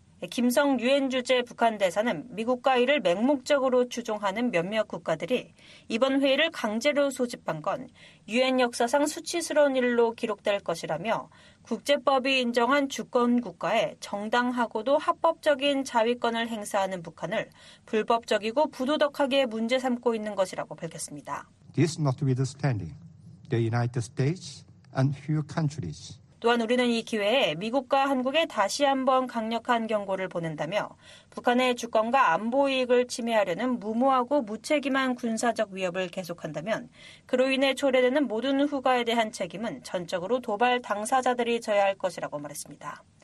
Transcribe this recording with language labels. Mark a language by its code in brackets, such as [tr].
[ko] 김성 유엔 주재 북한 대사는 미국과 이를 맹목적으로 추종하는 몇몇 국가들이 이번 회의를 강제로 소집한 건 유엔 역사상 수치스러운 일로 기록될 것이라며 국제법이 인정한 주권 국가에 정당하고도 합법적인 자위권을 행사하는 북한을 불법적이고 부도덕하게 문제 삼고 있는 것이라고 밝혔습니다. [en] This notwithstanding, the United States and few countries. [ko] 또한 우리는 이 기회에 미국과 한국에 다시 한번 강력한 경고를 보낸다며 북한의 주권과 안보 이익을 침해하려는 무모하고 무책임한 군사적 위협을 계속한다면 그로 인해 초래되는 모든 후과에 대한 책임은 전적으로 도발 당사자들이 져야 할 것이라고 말했습니다.